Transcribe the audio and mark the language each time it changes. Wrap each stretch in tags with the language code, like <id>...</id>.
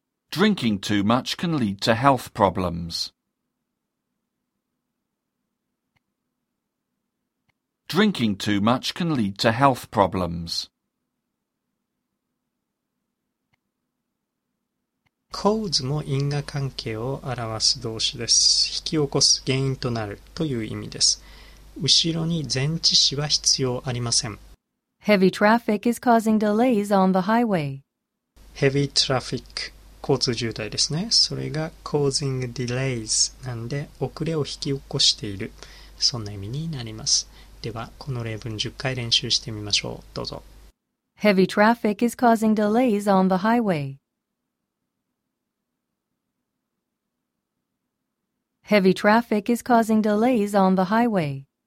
<en>Drinking too much can lead to health problems. Drinking too much can lead to health problems.</en> <ja>Cause も因果関係を表す動詞です。引き起こす、原因となるという意味です。後ろに前置詞は必要ありません。</ja> <en>Heavy traffic is causing delays on the highway.</en> <ja>Heavy traffic 交通渋滞ですね。それが causing delays なんで、遅れを引き起こしている、そんな意味になります。ではこの例文10回練習してみましょう。どうぞ。</ja> <en>Heavy traffic is causing delays on the highway. Heavy traffic is causing delays on the highway.</en>